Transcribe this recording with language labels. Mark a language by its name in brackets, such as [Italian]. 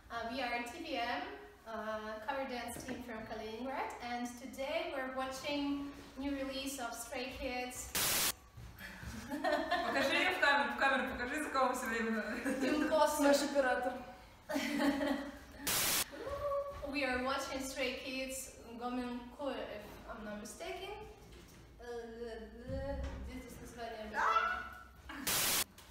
[English] We are TBM, cover dance team from Kaliningrad, and today we're watching new release of Stray Kids. [Russian] Покажи ее в камеру, покажи, за кого все время. Наш оператор. [English] We are watching Stray Kids, Gomin Ku, if I'm not mistaken. This is the story I'm saying.